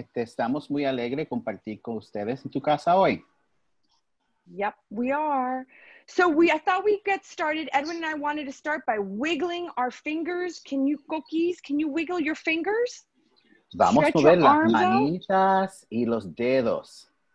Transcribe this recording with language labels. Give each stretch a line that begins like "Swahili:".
Spanish: Estamos muy alegre compartir con ustedes en tu casa hoy.
English: Yep, we are. So I thought we'd get started. Edwin and I wanted to start by wiggling our fingers. Can you, Coquís, can you wiggle your fingers?
Spanish: Vamos a mover las manitas y los dedos.